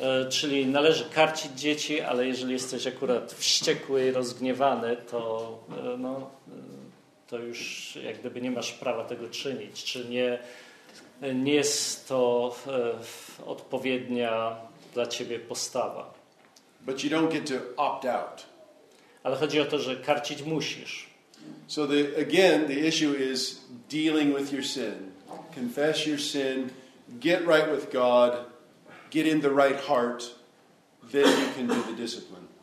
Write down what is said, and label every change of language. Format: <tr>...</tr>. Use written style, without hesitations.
<pl>Czyli należy karcić dzieci, ale jeżeli jesteś akurat wściekły i rozgniewany, to, no, to już jak gdyby nie masz prawa tego czynić. Czy nie jest to odpowiednia dla ciebie postawa.</pl> <en>But you don't get to opt out.</en> <pl>Ale chodzi o to, że karcić musisz.</pl> <en>So the issue is dealing with your sin. Confess your sin, get right with God, get in the right heart, then you can do the discipline.</en>